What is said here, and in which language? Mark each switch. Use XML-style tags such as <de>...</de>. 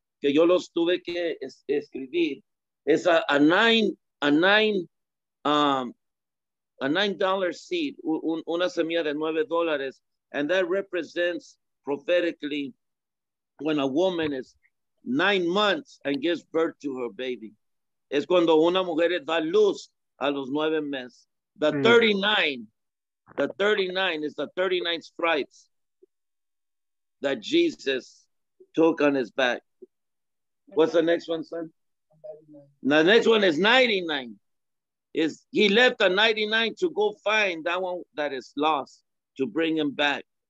<es>Que yo los tuve que escribir.</es> <en>It's a $9 seed,</en> <es>una semilla de $9,</es> <en>and that represents prophetically when a woman is 9 months and gives birth to her baby.</en> <es>Es cuando una mujer da luz a los 9 meses.</es> <en>The 39, the 39 is the 39 stripes that Jesus took on his back. What's the next one, son? The next one is 99. Is he left a 99 to go find that one that is lost to bring him back.</en>